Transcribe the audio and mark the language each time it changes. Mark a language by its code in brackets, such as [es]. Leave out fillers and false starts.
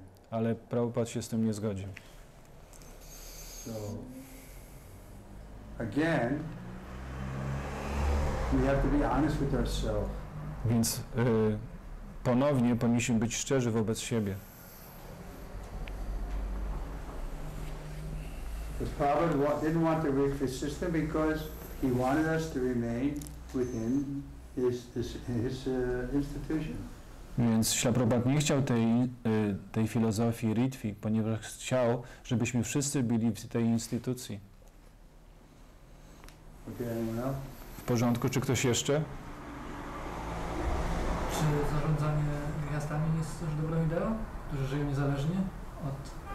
[pl] Ale Prabhupada się z tym nie zgodził. [en] So, again, we have to be honest with ourselves. [pl] Więc ponownie powinniśmy być szczerzy wobec siebie. [en] Prabhupada didn't want to break his system because he wanted us to remain within his institution. [pl] Więc Śla Prabhupada nie chciał tej filozofii Ritwi, ponieważ chciał, żebyśmy wszyscy byli w tej instytucji. [en] Okay, anyone else? [pl] W porządku, czy ktoś jeszcze? Czy zarządzanie miastami nie jest też dobrą ideą? Którzy żyją niezależnie od...